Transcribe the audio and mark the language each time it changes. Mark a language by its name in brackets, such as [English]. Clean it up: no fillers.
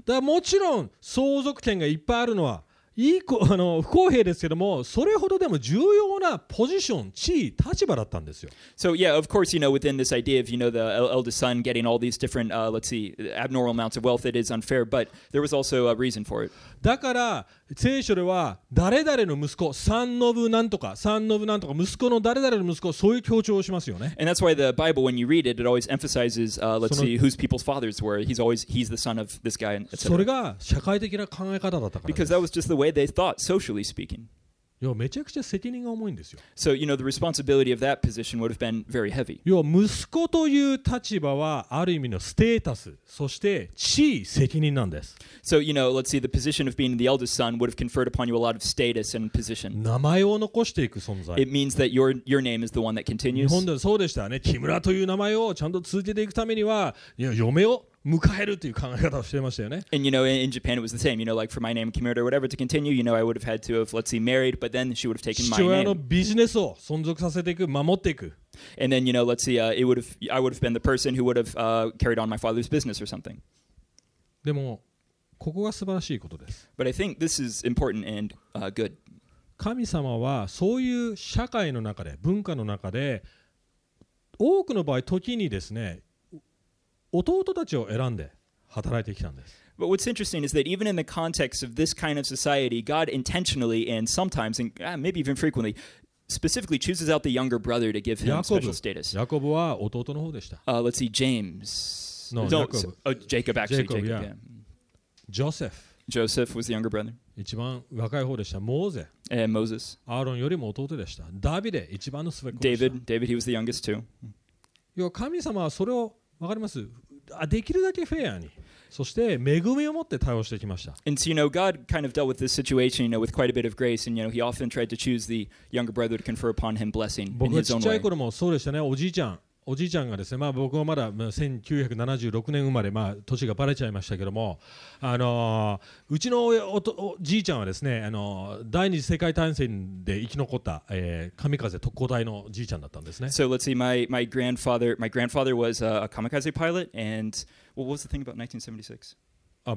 [Japanese] だからもちろん相続権がいっぱいあるのはいい子、あの、不公平ですけども、それほどでも重要なポジション、地位、立場だったんですよ。 [English] So, yeah, of course, you know, within this idea of, you know, the eldest son getting all these different, let's see, abnormal amounts of wealth, it is unfair, but there was also a reason for it. [Japanese] だから、聖書では、誰々の息子、三の部なんとか、三の部なんとか、息子の誰々の息子、そういう強調をしますよね。 [English] And that's why the Bible, when you read it, it always emphasizes, let's see, whose people's fathers were. He's always, he's the son of this guy, etc. [Japanese] それが社会的な考え方だったからです。 [English] Because that was just the way they thought, socially speaking. [Japanese] いや、めちゃくちゃ責任が重いんですよ。 [English] So, you know, the responsibility of that position would have been very heavy. [Japanese] いや、息子という立場はある意味のステータス、そして地位、責任なんです。 [English] So, you know, let's see, the position of being the eldest son would have conferred upon you a lot of status and position. [Japanese] 名前を残していく存在。 [English] It means that your name is the one that continues. [Japanese] 日本ではそうでしたね。木村という名前をちゃんと続けていくためには、いや、嫁を。迎えるという考え方をしていましたよね。 [English] And you know, in Japan it was the same. You know, like for my name, Kimura, or whatever, to continue, you know, I would have had to have, let's see, married, but then she would have taken my name. [Japanese] 父親のビジネスを存続させていく、守っていく。 [English] And then, you know, let's see, I would have been the person who would have carried on my father's business or something. [Japanese] でも、ここが素晴らしいことです。 [English] But I think this is important and good. [Japanese] 神様はそういう社会の中で、文化の中で、多くの場合、時にですね、弟たちを選んで働いてきたんです。 [English] But what's interesting is that even in the context of this kind of society, God intentionally and sometimes and maybe even frequently specifically chooses out the younger brother to give him special status. [Japanese] ヤコブは弟の方でした。 [English] Let's see, James. No, Jacob. Jacob, yeah. Joseph. Joseph was the younger brother. [Japanese] 一番若い方でした。モーゼ。 [English] And Moses. [Japanese] アーロンよりも弟でした。ダビデ、一番の末っ子でした。 [English] David, he was the youngest too. [Japanese] 要は神様はそれをわかります。できるだけフェアに、そして恵みを持って対応してきました。 [English] And so, you know, God kind of dealt with this situation, you know, with quite a bit of grace, and you know, he often tried to choose the younger brother to confer upon him blessing in his own way. [Japanese] 僕はちっちゃい頃もそうでしたね。おじいちゃんがですね、まあ僕はまだ1976年生まれ、まあ年がバレちゃいましたけども、うちのおじいちゃんはですね、第二次世界大戦で生き残った、神風特攻隊のじいちゃんだったんですね。 [English] So let's see, my grandfather was a kamikaze pilot, and what was the thing about 1976?